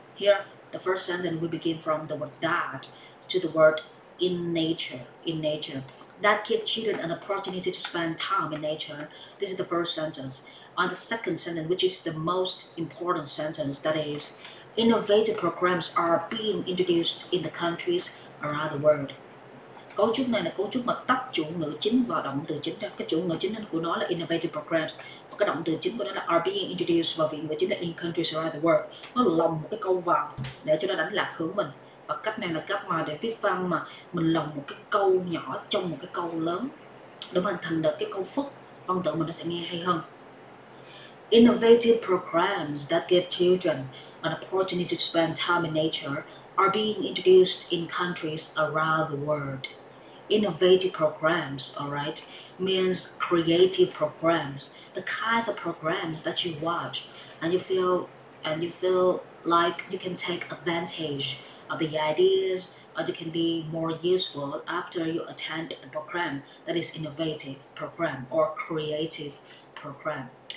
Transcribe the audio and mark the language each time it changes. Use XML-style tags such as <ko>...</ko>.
<en>Here, the first sentence will begin from the word that to the word in nature. That give children an opportunity to spend time in nature. This is the first sentence. And the second sentence, which is the most important sentence, that is, innovative programs are being introduced in the countries around the world.</en> <vi>Cấu trúc này là cấu trúc mà tách chủ ngữ chính và động từ chính ra. Cái chủ ngữ chính của nó là</vi> <en>innovative programs.</en> <vi>Và cái động từ chính của nó là</vi> <en>are being introduced</en> <vi>và vị ngữ chính là</vi> <en>in countries around the world.</en> <vi>Nó lồng một cái câu vào để cho nó đánh lạc hướng mình. Và cách này là cách mà để viết văn mà mình lồng một cái câu nhỏ trong một cái câu lớn. Để mình thành được cái câu phức, văn tự mình nó sẽ nghe hay hơn.</vi> <en>Innovative programs that give children an opportunity to spend time in nature are being introduced in countries around the world. Innovative programs, all right, means creative programs, the kinds of programs that you watch and you feel like you can take advantage of the ideas or you can be more useful after you attend the program, that is innovative program or creative program.</en>